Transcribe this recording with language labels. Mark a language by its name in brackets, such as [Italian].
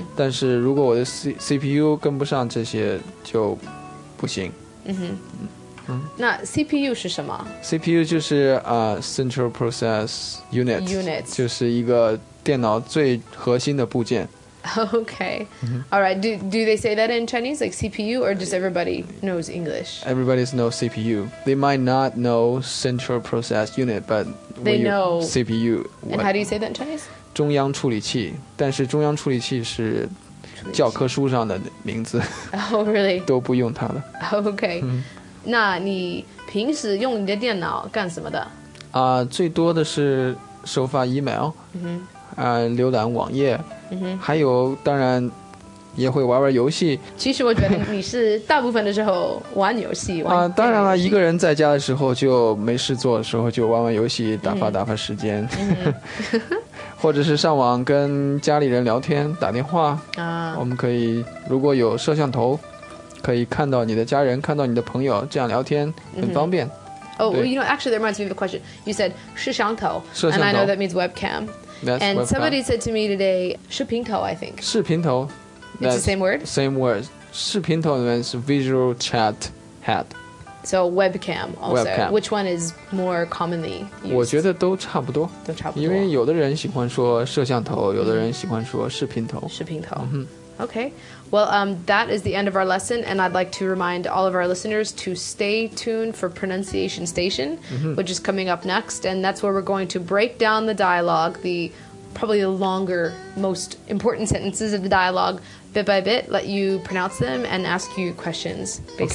[Chinese] 但是如果我的 CPU 跟不上这些就不行。嗯哼，嗯，那 CPU 是什么？ [English] CPU 就是Central Process Unit, Unit [Chinese] 就是一个电脑最核心的部件。 [English] Okay. All right. Do they say that in Chinese, like CPU, or just everybody knows English? Everybody knows CPU. They might not know Central Process Unit, but they know CPU. And how do you say that in Chinese? [Chinese] 中央处理器，但是中央处理器是教科书上的名字。 [English] Oh, really? [Chinese] 都不用它了。 [English] Okay. [Chinese] 那你平时用你的电脑干什么的？最多的是收发 email。浏览网页、嗯、还有当然也会玩玩游戏。其实我觉得你是大部分的时候玩游戏玩、当然了，一个人在家的时候就没事做的时候就玩玩游戏打发打发时间、嗯、或者是上网跟家里人聊天打电话、我们可以如果有摄像头可以看到你的家人看到你的朋友，这样聊天很方便、 [English] Oh, well, you know, actually that reminds me of a question. You said 摄像头, [Chinese] 摄像头, [English] and I know that means webcam. That's and webcam. Somebody said to me today, 视频头, I think. [Chinese] 视频头, [English] it's the same word? Same word. 视频头 means visual chat head. So webcam also. Webcam. Which one is more commonly used? [Chinese] 我觉得都差不多。都差不多。因为有的人喜欢说摄像头，有的人喜欢说视频头。视频头。嗯。 [English] Okay. Well, that is the end of our lesson, and I'd like to remind all of our listeners to stay tuned for Pronunciation Station, mm-hmm. which is coming up next, and that's where we're going to break down the dialogue, probably the longer, most important sentences of the dialogue, bit by bit, let you pronounce them and ask you questions based